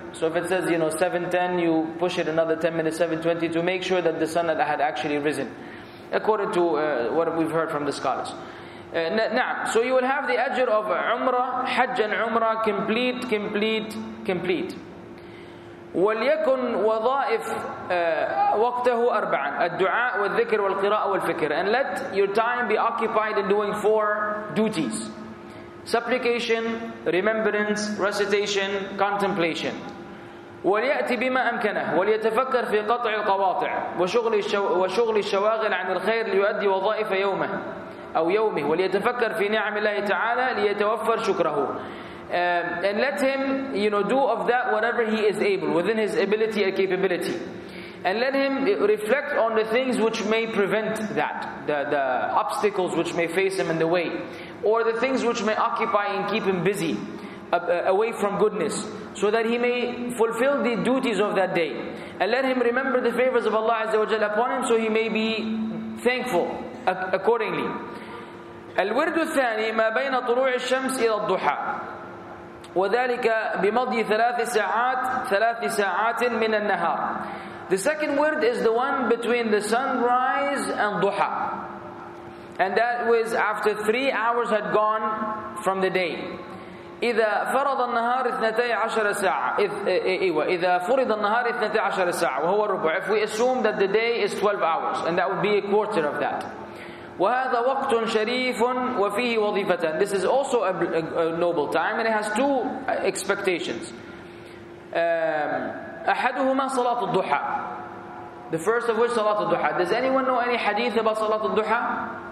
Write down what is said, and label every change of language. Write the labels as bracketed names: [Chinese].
[English] So if it says, 7:10, you push it another 10 minutes, 7:20, to make sure that the sun had actually risen. according to what we've heard from the scholars. So you will have the ajr of umrah, hajj and umrah, complete, complete, complete. [Arabic] وليكن وظائف وقته أربعة الدعاء والذكر والقراءة والفكر. [English] And let your time be occupied in doing four duties: supplication, remembrance, recitation, contemplation. [Arabic] وليأتي بما أمكنه وليتفكر في قطع القواطع وشغل الشواغل عن الخير ليؤدي وظائف يومه أو يومه وليتفكر في نعم الله تعالى ليتوفر شكره. [English] And let him, you know, do of that whatever he is able, within his ability and capability. And let him reflect on the things which may prevent that, the obstacles which may face him in the way, or the things which may occupy and keep him busy, away from goodness, so that he may fulfill the duties of that day. And let him remember the favors of Allah Azza wa Jalla upon him, so he may be thankful accordingly. [Arabic] الورد الثاني ما بين طلوع الشمس إلى الضحى وذلك بمضي ثلاث ساعات من النهار. [English] The second word is the one between the sunrise and duha, and that was after 3 hours had gone from the day. [Arabic] إذا فرض النهار 12 ساعة إذا فرض النهار 12 ساعة وهو الربع. [English] If we assume that the day is 12 hours, and that would be a quarter of that. [Arabic] وهذا وقت شريف وفيه وظيفة. [English] This is also a noble time, and it has two expectations. [Arabic] أحدهما صلاة الضحى. [English] The first of which صلاة الضحى. Does anyone know any hadith about صلاة الضحى?